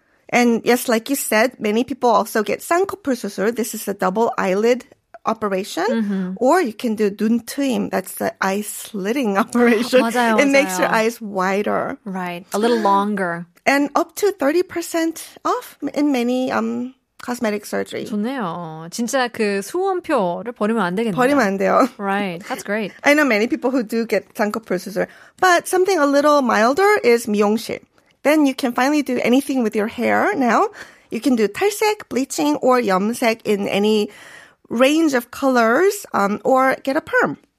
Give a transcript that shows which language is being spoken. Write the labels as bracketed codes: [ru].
[en] And yes, like you said, many people also get 쌍꺼풀 수술. This is a double eyelid operation. Mm-hmm. Or you can do 눈트임. That's the eye slitting operation. [ko] 맞아요, 맞아요. [en] It makes your eyes wider. Right. A little longer. And up to 30% off in many cosmetic surgery. [ko] 좋네요. 진짜 그 수원표를 버리면 안 되겠네요. 버리면 안 돼요. [en] Right. That's great. I know many people who do get 쌍꺼풀 수술. But something a little milder is 미용실. Then you can finally do anything with your hair now. You can do 탈색, bleaching, or 염색 in any range of colors, or get a perm.